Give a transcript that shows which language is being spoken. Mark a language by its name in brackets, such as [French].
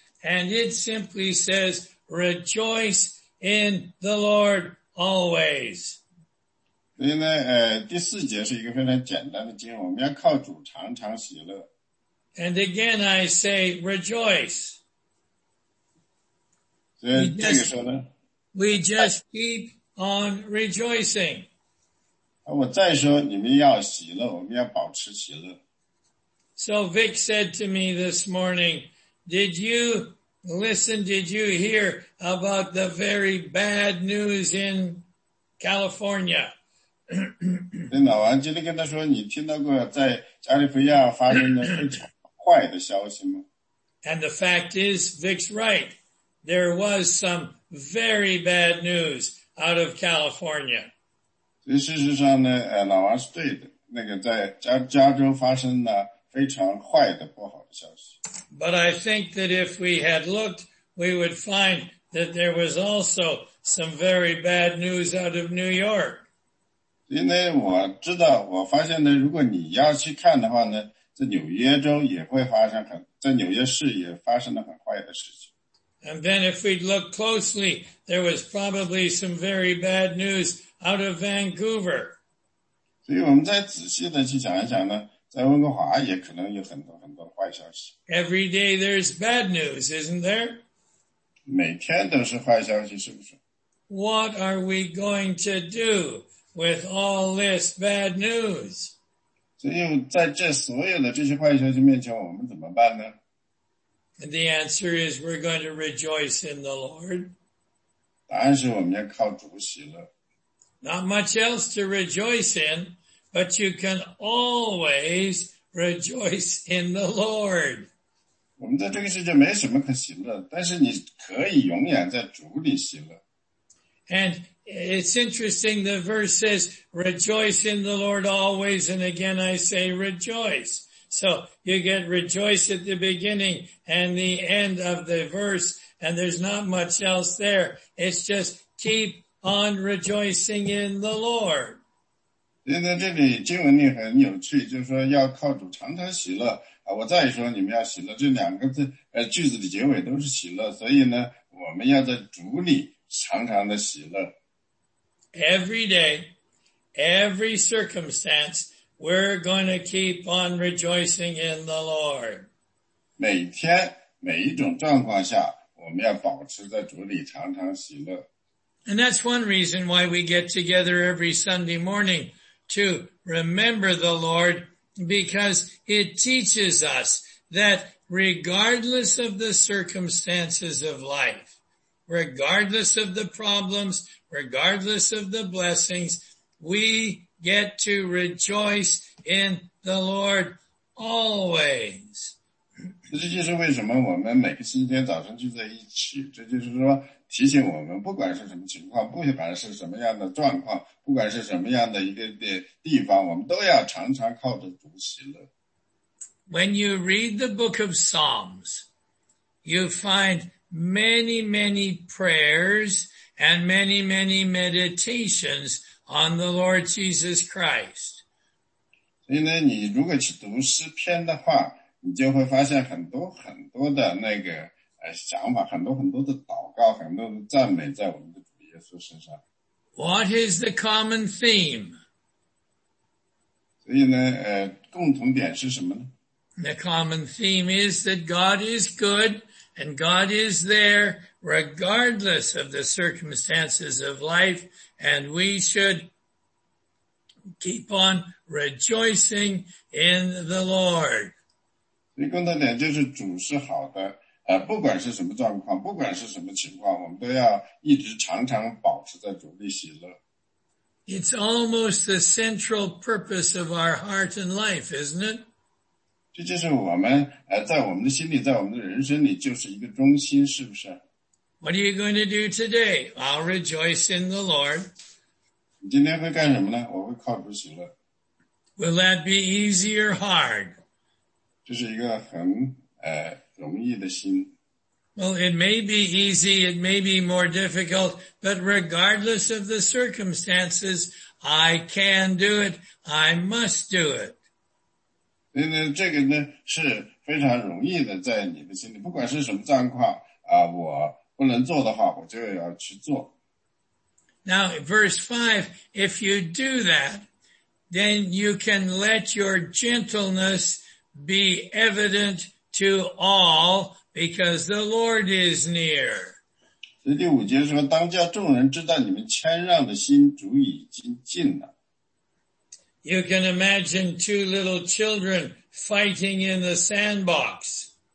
[English] And it simply says, rejoice in the Lord always. [Chinese] 所以呢，第四节是一个非常简单的经文，我们要靠主常常喜乐。 [English] And again I say, rejoice. [Chinese] 所以这个时候呢， [English] we just keep on rejoicing. [Chinese] 我再说，你们要喜乐，我们要保持喜乐。 [English] So Vic said to me this morning, did you hear about the very bad news in California? [Chinese] 真的，我今天跟他说，你听到过在加利福尼亚发生的非常坏的消息吗？ [English] And the fact is, Vic's right. There was some very bad news out of California. [Chinese] 所以事实上呢，老王是对的，那个在加州发生的非常坏的不好的消息。 [English] But I think that if we had looked, we would find that there was also some very bad news out of New York. [Chinese] 因为我知道，我发现呢，如果你要去看的话呢，在纽约州也会发生很，在纽约市也发生了很坏的事情。 [English] And then if we'd look closely, there was probably some very bad news out of Vancouver. [Chinese] 所以我们再仔细的去想一想呢，在温哥华也可能有很多很多坏消息。 [English] Every day there's bad news, isn't there? [Chinese] 每天都是坏消息，是不是？ [English] What are we going to do with all this bad news? [Chinese] 所以在这所有的这些坏消息面前，我们怎么办呢？ [English] And the answer is we're going to rejoice in the Lord. [Chinese] 答案是我们要靠主喜乐。 [English] Not much else to rejoice in. But you can always rejoice in the Lord. [Chinese] 我们在这个世界没什么可喜乐，但是你可以永远在主里喜乐。 [English] And it's interesting, the verse says, rejoice in the Lord always, and again I say rejoice. So you get rejoice at the beginning and the end of the verse, and there's not much else there. It's just keep on rejoicing in the Lord. [Chinese] 因为这里经文里很有趣，就是说要靠主常常喜乐。我再说你们要喜乐，这两个字句子的结尾都是喜乐，所以呢，我们要在主里常常的喜乐。 [English] Every day, every circumstance, we're going to keep on rejoicing in the Lord. [Chinese] 每天每一种状况下，我们要保持在主里常常喜乐。 [English] And that's one reason why we get together every Sunday morning. To remember the Lord, because it teaches us that regardless of the circumstances of life, regardless of the problems, regardless of the blessings, we get to rejoice in the Lord always. [Chinese] 这就是为什么我们每个星期天早上聚在一起，这就是说提醒我们，不管是什么情况，不管是什么样的状况，不管是什么样的一个地方，我们都要常常靠着主喜乐。 [English] When you read the book of Psalms, you find many, many prayers and many, many meditations on the Lord Jesus Christ. [Chinese] 所以呢，你如果去读诗篇的话，你就会发现很多很多的那个想法，很多很多的祷告，很多的赞美在我们的主耶稣身上。 [English] What is the common theme? [Chinese] 所以呢，共同点是什么呢？ [English] The common theme is that God is good and God is there regardless of the circumstances of life, and we should keep on rejoicing in the Lord. [Chinese] 所以共同点就是主是好的，不管是什么状况，不管是什么情况，我们都要一直常常保持在主里喜乐。 [English] It's almost the central purpose of our heart and life, isn't it? [Chinese] 这就是我们在我们的心里，在我们的人生里，就是一个中心，是不是？ [English] What are you going to do today? I'll rejoice in the Lord. [Chinese] 你今天会干什么呢？我会靠主喜乐。 [English] Will that be easy or hard? [Chinese] 这是一个很容易的心。 [English] Well, it may be easy, it may be more difficult, but regardless of the circumstances, I can do it, I must do it. [Chinese] 所以呢这个呢是非常容易的在你的心里。不管是什么状况我不能做的话我就要去做。 [English] Now, verse 5, if you do that, then you can let your gentleness be evident to all,Because the Lord is near. [Chinese] 十五节说当叫众人知道你们谦让的心主已经近了。 [English] You can imagine two little children fighting in the sandbox.